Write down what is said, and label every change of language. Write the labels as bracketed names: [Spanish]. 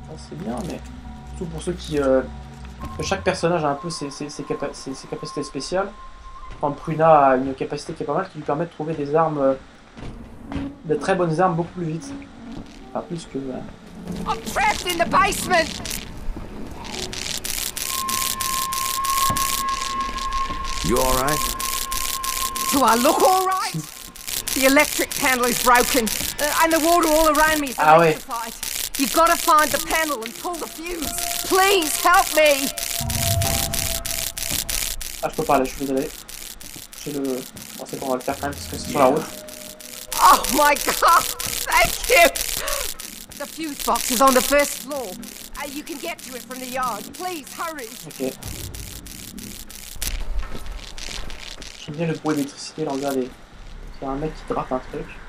[French] C'est bien, mais... Surtout pour ceux qui... chaque personnage a un peu ses capacités spéciales. Enfin, Pruna a une capacité qui est pas mal, qui lui permet de trouver des armes... de très bonnes armes beaucoup plus vite. Enfin, plus que... [English] I'm trapped in the basement. You alright? Do I look all right? The electric panel is broken, and the water all around me is electrified. [French] Ah ouais. [English] You've got to find the panel and pull the fuse. Please help me. [French] Ah, je peux pas aller, je suis désolé. J'ai le. Bon, c'est bon, on va le faire quand même parce que c'est sur la route. [English] Oh my God! Thank you. The fuse box is on the first floor. You can get to it from the yard. Please hurry. Okay. [French] J'aime bien le bruit d'électricité, là, regardez. C'est un mec qui drape un truc.